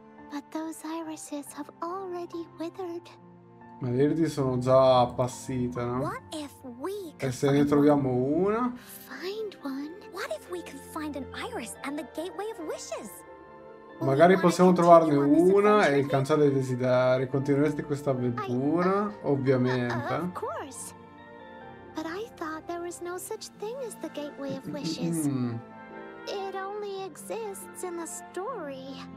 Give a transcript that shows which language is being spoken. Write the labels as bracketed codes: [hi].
[en] But those irises have already withered. [it] Ma le iridi sono già appassite, no? [en] What if we [it] e se ne troviamo una? [en] Find one. What if we could find an iris and the gateway of wishes? [it] Magari possiamo trovarne una e il cancello dei desideri. Continueresti questa avventura? Ovviamente. [en] Of course. But I thought there was no such thing as the gateway of wishes. It only exists in the story.